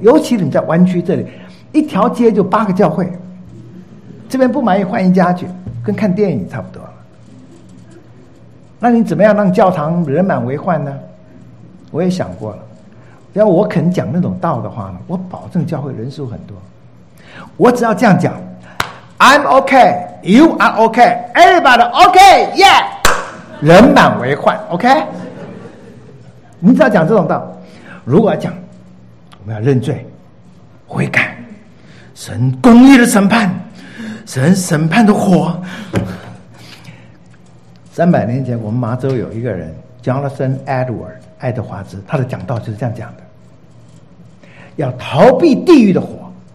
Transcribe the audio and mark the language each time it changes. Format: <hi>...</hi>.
<zh>尤其你在湾区这里，一条街就八个教会，这边不满意换一家去，跟看电影差不多了。那你怎么样让教堂人满为患呢？我也想过了，要我肯讲那种道的话呢，我保证教会人数很多。</zh> <en>我只要这样讲， I'm OK, You are OK, Everybody OK, Yeah,</en> <zh>人满为患</zh> <en>OK。</en> <zh>你只要讲这种道，如果讲我们要认罪悔改，神公义的审判，神审判的火。 300年前我们麻州有一个人 Jonathan Edward 爱德华兹，他的讲道就是这样讲的，要逃避地狱的火。</zh>